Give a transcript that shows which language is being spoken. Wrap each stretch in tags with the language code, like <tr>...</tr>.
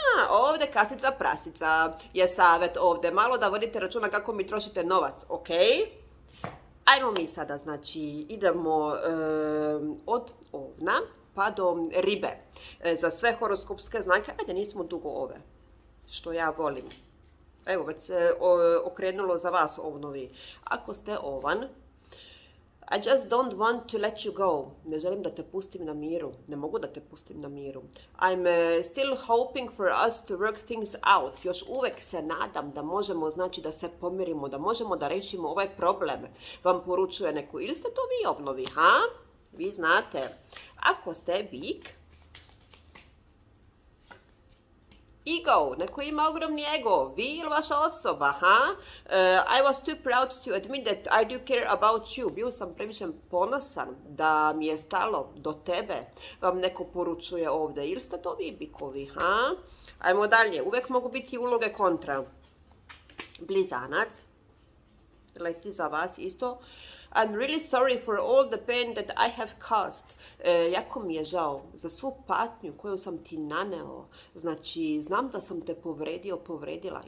<sr>Ovdje kasica prasica je savjet ovdje, malo da vodite računa kako mi trošite novac, ok? Ajmo mi sada, znači idemo od ovna pa do ribe. Za sve horoskopske znake, ajde nismo dugo ove, što ja volim. Evo već se okrenulo za vas ovnovi. Ako ste ovan,</sr> <en>I just don't want to let you go.</en> <sr>Ne želim da te pustim na miru. Ne mogu da te pustim na miru.</sr> <en>I'm still hoping for us to work things out.</en> <sr>Još uvek se nadam da možemo, znači, da se pomirimo, da možemo da rešimo ovaj problem. Vam poručuje neko. Ili ste to vi ovnovi, ha? Vi znate. Ako ste bik, ego, neko ima ogromni ego, vi ili vaša osoba, ha?</sr> <en>I was too proud to admit that I do care about you.</en> <sr>Bio sam previše ponosan da mi je stalo do tebe, vam neko poručuje ovde. Ili ste to vi, bikovi, ha? Ajmo dalje, uvek mogu biti uloge kontra. Blizanac, leti za vas isto.</sr> <en>I'm really sorry for all the pain that I have caused.</en> <sr>Jako mi je žao za svu patnju koju sam ti naneo. Znači, znam da sam te povredio, povredila.</sr>